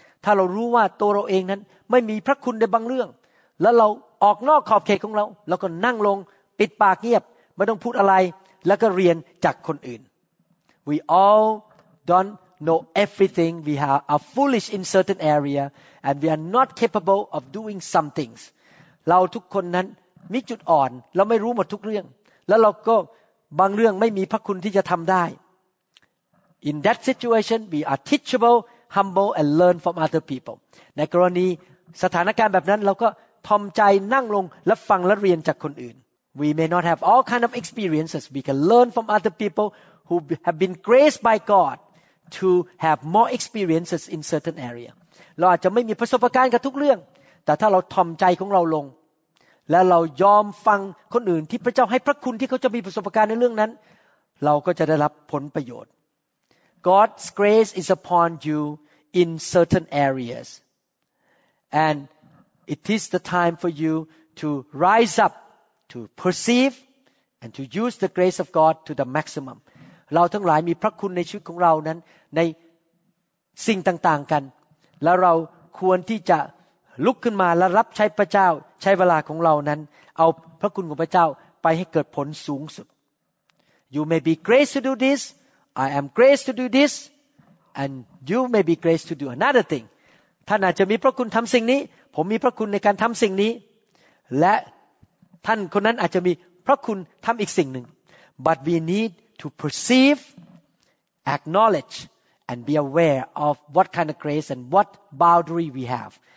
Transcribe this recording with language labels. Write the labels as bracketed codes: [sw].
[th] ถ้าเรารู้ว่าตัวเราเองนั้นไม่มีพระคุณในบางเรื่องแล้วเราออกนอกขอบเขตของเราแล้วก็นั่งลงปิดปากเงียบไม่ต้องพูดอะไรแล้วก็เรียนจากคนอื่น [en] We all don't know everything we are foolish in certain area and we are not capable of doing some things [th] เราทุกคนนั้นมีจุดอ่อนเราไม่รู้หมดทุกเรื่องแล้วเราก็บางเรื่องไม่มีพระคุณที่จะทำได้ [en] In that situation we are teachable humble and learn from other people [th] ในกรณีสถานการณ์แบบนั้นเราก็ทำใจนั่งลงและฟังและเรียนจากคนอื่น [en] We may not have all kind of experiences. We can learn from other people who have been graced by God to have more experiences in certain area. [th] เราอาจจะไม่มีประสบการณ์กับทุกเรื่องแต่ถ้าเราทำใจของเราลงและเรายอมฟังคนอื่นที่พระเจ้าให้พระคุณที่เขาจะมีประสบการณ์ในเรื่องนั้นเราก็จะได้รับผลประโยชน์ [en] God's grace is upon you in certain areas andIt is the time for you to rise up, to perceive, and to use the grace of God to the maximum. [th] เราทั้งหลายมีพระคุณในชีวิตของเรานั้นในสิ่งต่างๆกันแล้วเราควรที่จะลุกขึ้นมาและรับใช้พระเจ้าใช้เวลาของเรานั้นเอาพระคุณของพระเจ้าไปให้เกิดผลสูงสุด [en] You may be graced to do this. I am graced to do this. And you may be graced to do another thing. [th] ท่านอาจจะมีพระคุณทำสิ่งนี้ผมมีพระคุณในการทำสิ่งนี้และท่านคนนั้นอาจจะมีพระคุณทำอีกสิ่งหนึ่ง [en] But we need to perceive, acknowledge, and be aware of what kind of grace and what boundary we have.